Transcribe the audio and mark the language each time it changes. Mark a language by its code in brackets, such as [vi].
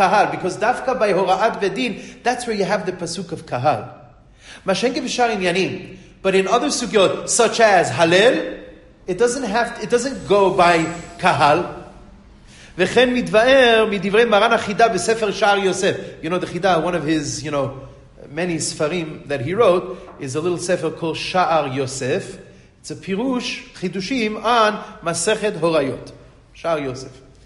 [en] Because dafka by hora'at bedin, that's where you have the pasuk of kahal. But in other sugyot, such as halel, it doesn't go by kahal. [he] וכן מדבר מדברי מרן החידה בספר שער יוסף. [en] You know, the Chida, one of his, you know, many ספרים that he wrote, is a little ספר called שער יוסף. It's a פירוש, חידושים, on מסכת הוריות. שער יוסף.